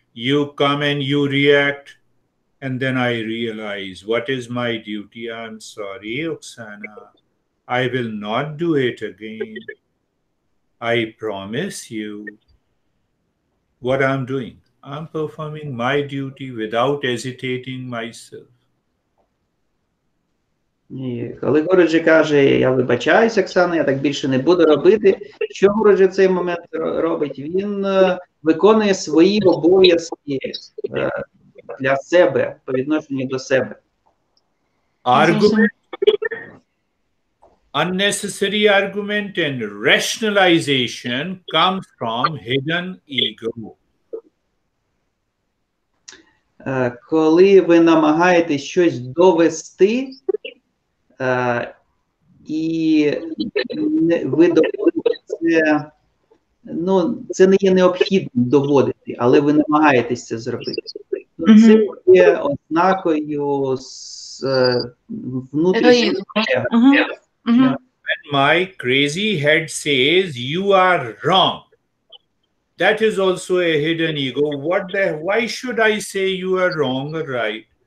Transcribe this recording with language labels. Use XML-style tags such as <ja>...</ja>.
<en>You come and you react, and then I realize what is my duty. I'm sorry, Oksana. I will not do it again. I promise you. What I'm doing, I'm performing my duty without hesitating myself.</en> <uk>Ні, коли Гуруджі каже, я вибачаюся, Оксана, я так більше не буду робити, що Гуруджі в цей момент робить? Він виконує свої обов'язки для себе, по відношенню до себе.</uk> <en>Аргумент, unnecessary argument and rationalization comes from hidden ego.</en> <uk>Коли ви намагаєтесь щось довести, і ви доводите це, ну, це не є необхідно доводити, але ви намагаєтесь це зробити. Це є ознакою з внутрішньої.</uk> <en>When my crazy head says you are wrong, that is also a hidden ego. What the, why should I say you are wrong or right?</en>